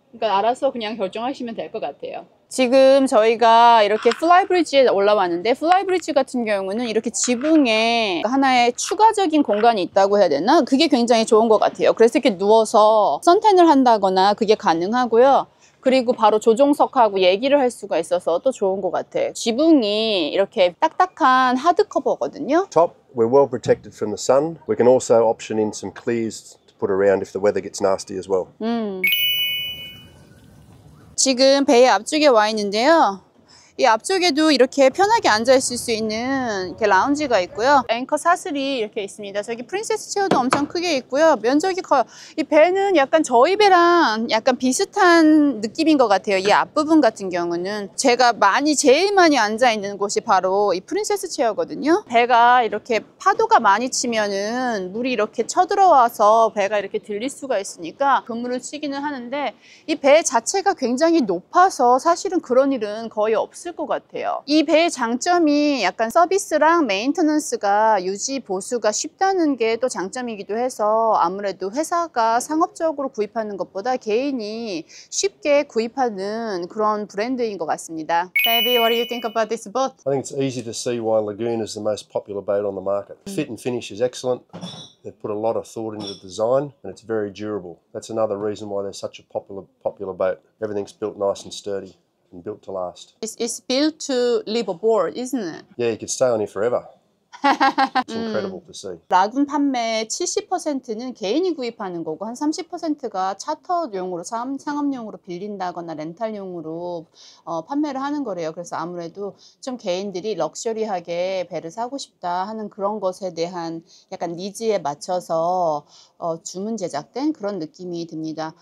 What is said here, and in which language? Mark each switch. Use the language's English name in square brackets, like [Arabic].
[Korean] 그러니까 알아서 그냥 결정하시면 될 것 같아요. 지금 저희가 이렇게 플라이브리지에 올라왔는데 플라이브리지 같은 경우는 이렇게 지붕에 하나의 추가적인 공간이 있다고 해야 되나? 그게 굉장히 좋은 것 같아요. 그래서 이렇게 누워서 선탠을 한다거나 그게 가능하고요. 그리고 바로 조종석하고 얘기를 할 수가 있어서 또 좋은 것 같아. 지붕이 이렇게 딱딱한 하드커버거든요. [English] Top, we're well protected from the sun. We can also option in some clears to put around if the weather gets nasty as well. [Korean] 지금 배의 앞쪽에 와 있는데요. 이 앞쪽에도 이렇게 편하게 앉아있을 수 있는 이렇게 라운지가 있고요. 앵커 사슬이 이렇게 있습니다. 저기 프린세스 체어도 엄청 크게 있고요. 면적이 커요. 이 배는 약간 저희 배랑 약간 비슷한 느낌인 것 같아요. 이 앞부분 같은 경우는 제가 제일 많이 앉아있는 곳이 바로 이 프린세스 체어거든요. 배가 이렇게 파도가 많이 치면은 물이 이렇게 쳐들어와서 배가 이렇게 들릴 수가 있으니까 그물을 치기는 하는데 이 배 자체가 굉장히 높아서 사실은 그런 일은 거의 없을 것 같아요. 이 배의 장점이 약간 서비스랑 메인터넌스가 유지 보수가 쉽다는 게 또 장점이기도 해서 아무래도 회사가 상업적으로 구입하는 것보다 개인이 쉽게 구입하는 그런 브랜드인 것 같습니다. [English] Baby, what do you think about this boat? I think it's easy to see why Lagoon is the most popular boat on the market. Fit and finish is excellent. They've put a lot of thought into the design and it's very durable. That's another reason why they're such a popular boat. Everything's built nice and sturdy. Built to last. It's built to live aboard, isn't it? Yeah, you could stay on here forever. It's incredible to see. [Korean] 라군 판매 70%는 개인이 구입하는 거고 한 30%가 차터용으로 상업용으로 빌린다거나 렌탈용으로 판매를 하는 거래요. 그래서 아무래도 좀 개인들이 럭셔리하게 배를 사고 싶다 하는 그런 것에 대한 약간 니즈에 맞춰서 주문 제작된 그런 느낌이 듭니다.